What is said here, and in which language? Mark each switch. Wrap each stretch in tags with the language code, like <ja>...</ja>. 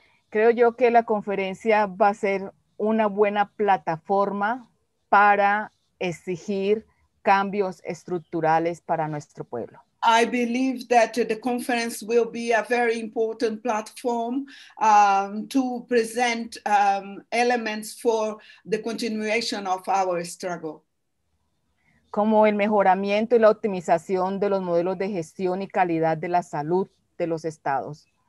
<es>Creo yo que la conferencia va a ser una buena plataforma para exigir cambios estructurales para nuestro pueblo.</es> <en>I believe that the conference will be a very important platform to present elements for the continuation of our struggle.</en> <es>Como el mejoramiento y la optimización de los modelos de gestión y calidad de la salud de los estados.</es>